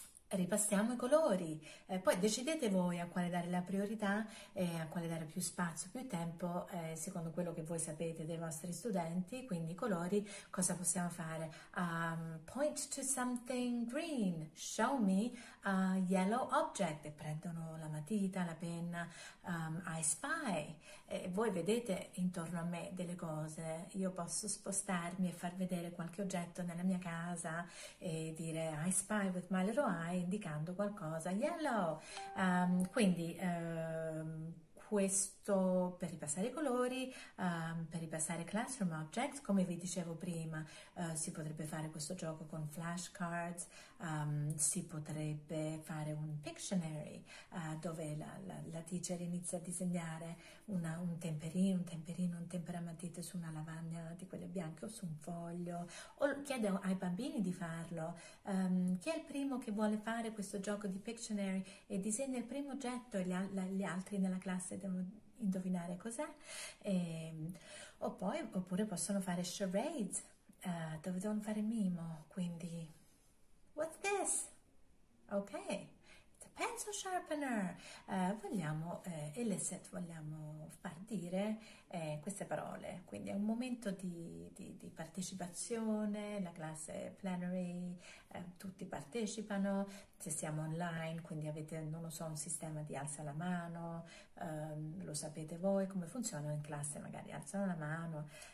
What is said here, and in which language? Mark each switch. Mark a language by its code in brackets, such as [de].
[it] Ripassiamo i colori, poi decidete voi a quale dare la priorità e a quale dare più spazio, più tempo, secondo quello che voi sapete dei vostri studenti. Quindi i colori, cosa possiamo fare? [en] Point to something green, show me a yellow object. [it] E prendono la matita, la penna, [en] I spy. [it] E voi vedete intorno a me delle cose. Io posso spostarmi e far vedere qualche oggetto nella mia casa e dire [en] I spy with my little eye, [it] indicando qualcosa, [en] yellow. [it] Quindi, questo questo per ripassare i colori, per ripassare Classroom Objects, come vi dicevo prima, si potrebbe fare questo gioco con flashcards, si potrebbe fare un Pictionary, dove la teacher inizia a disegnare un tempera a matite su una lavagna di quelle bianche o su un foglio, o chiede ai bambini di farlo. Chi è il primo che vuole fare questo gioco di Pictionary e disegna il primo oggetto e gli altri nella classe devono indovinare cos'è? Oppure possono fare charades, dove devono fare mimo, quindi [en] what's this? Ok, it's a pencil sharpener. [it] Vogliamo, Elicit, vogliamo far dire queste parole, quindi è un momento di partecipazione, la classe plenary, tutti partecipano, se siamo online, quindi avete, non lo so, un sistema di alza la mano, lo sapete voi come funzionano in classe, magari alzano la mano.